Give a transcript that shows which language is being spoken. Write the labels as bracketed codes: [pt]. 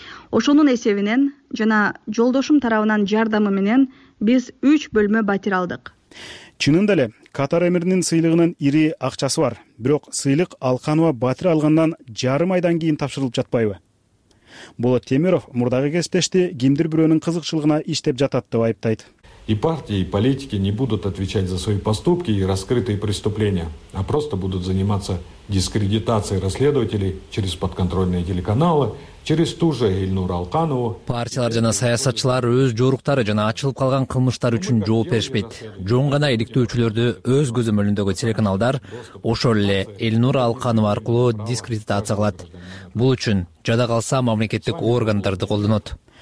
[ky] Ошонун эсебинен жана жолдошум тарабынан жардамы менен биз 3 бөлмө батир алдык. Чынында эле Катар эмиринин сыйлыгынын ири акчасы бар, бирок сыйлык Алканова батир алгандан жарым айдан кийин тапшырылып жатпайбы? Болот Темиров мурдагы кесиптешти кимдир бирөөнүн кызыкчылыгына иштеп жатат деп айыптайт. [ru] И партии, и политики не будут отвечать за свои поступки и раскрытые преступления, а просто будут заниматься дискредитацией расследователей через подконтрольные телеканалы, через ту же Эльнур Алканову. [ky] Партиялар жана саясатчылар өз жоруктары жана ачылып калган кылмыштар үчүн жооп беришпейт. Жөн гана иликтөөчүлөрдү өз көзөмөлүндөгү телеканалдар ошол эле Эльнур Алканова аркылуу дискредитация кылат. Бул үчүн жада калса мамлекеттик органдарды колдонот.